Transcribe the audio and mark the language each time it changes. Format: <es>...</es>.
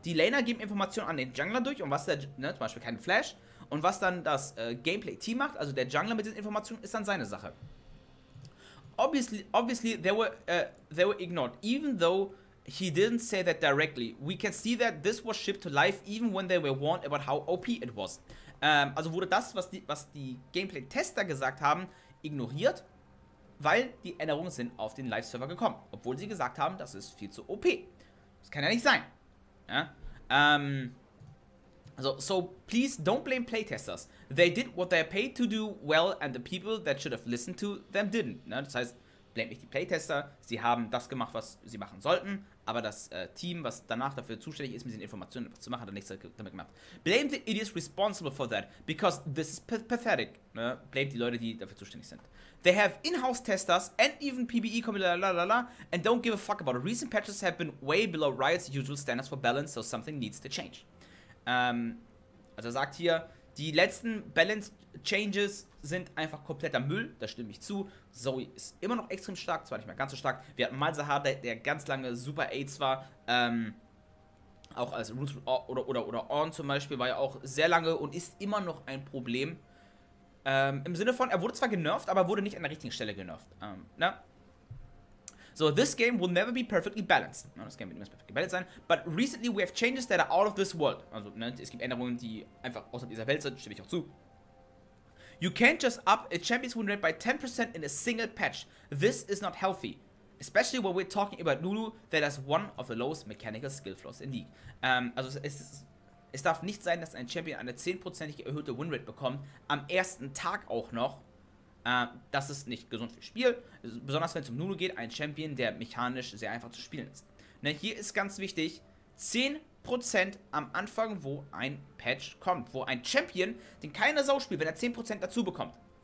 <de>Die Laner geben Informationen an den Jungler durch und was der, ne, zum Beispiel keinen Flash. Und was dann das Gameplay-Team macht, also der Jungler mit den Informationen, ist dann seine Sache.</de> <en>Obviously they were ignored, even though he didn't say that directly. We can see that this was shipped to life, even when they were warned about how OP it was.</en> <de>Also wurde das, was die Gameplay-Tester gesagt haben, ignoriert, weil die Änderungen sind auf den Live-Server gekommen. Obwohl sie gesagt haben, das ist viel zu OP. Das kann ja nicht sein. Ja?</de> <en>So please don't blame playtesters. They did what they're paid to do well and the people that should have listened to them didn't.</en> <de>Ne? Das heißt, blame nicht die Playtester. Sie haben das gemacht, was sie machen sollten. Aber das Team, was danach dafür zuständig ist, mit den Informationen zu machen, hat nichts damit gemacht.</de> <en>Blame the idiots responsible for that because this is pathetic. Ne?</en> <de>Blame die Leute, die dafür zuständig sind.</de> <en>They have in-house testers and even PBE la and don't give a fuck about it. Recent patches have been way below Riot's usual standards for balance, so something needs to change.</en> <de>Also sagt hier, die letzten Balance-Changes sind einfach kompletter Müll, da stimme ich zu. Zoe ist immer noch extrem stark, zwar nicht mehr ganz so stark. Wir hatten Malzahar, der ganz lange Super Aids war, auch als Roots oder Ornn zum Beispiel, war ja auch sehr lange und ist immer noch ein Problem. Im Sinne von, er wurde zwar genervt, aber wurde nicht an der richtigen Stelle genervt.</de> <en>So, this game will never be perfectly balanced.</en> <de>No, das Game wird niemals perfekt gebalanced sein.</de> <en>But recently we have changes that are out of this world.</en> <de>Also, ne, es gibt Änderungen, die einfach außerhalb dieser Welt sind. Stimme ich auch zu.</de> <en>You can't just up a champion's win rate by 10% in a single patch. This is not healthy. Especially when we're talking about Lulu, that has one of the lowest mechanical skill flaws in League.</en> <de>Also, es darf nicht sein, dass ein Champion eine 10%ige erhöhte win rate bekommt. Am ersten Tag auch noch. Das ist nicht gesund fürs Spiel, besonders wenn es um Nulu geht, ein Champion, der mechanisch sehr einfach zu spielen ist. Ne, hier ist ganz wichtig, 10% am Anfang, wo ein Patch kommt, wo ein Champion, den keiner Sau spielt, wenn er 10% dazu bekommt.</de>